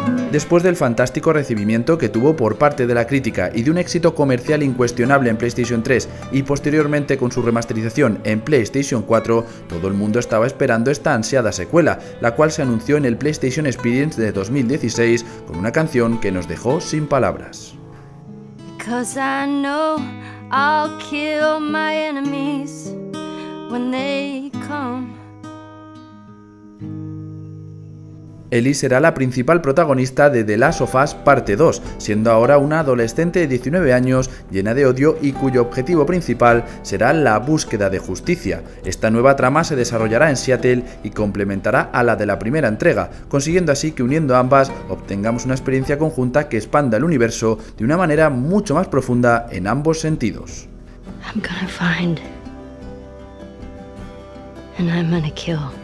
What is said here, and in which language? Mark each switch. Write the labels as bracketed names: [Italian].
[Spanish] Después del fantástico recibimiento que tuvo por parte de la crítica y de un éxito comercial incuestionable en PlayStation 3 y posteriormente con su remasterización en PlayStation 4, todo el mundo estaba esperando esta ansiada secuela, la cual se anunció en el PlayStation Experience de 2016 con una canción que nos dejó sin palabras. [English] Because I know I'll kill my enemies when they come. [Spanish] Ellie será la principal protagonista de The Last of Us Parte 2, siendo ahora una adolescente de 19 años, llena de odio y cuyo objetivo principal será la búsqueda de justicia. Esta nueva trama se desarrollará en Seattle y complementará a la de la primera entrega, consiguiendo así que uniendo ambas obtengamos una experiencia conjunta que expanda el universo de una manera mucho más profunda en ambos sentidos. [English] I'm gonna find, and I'm gonna kill.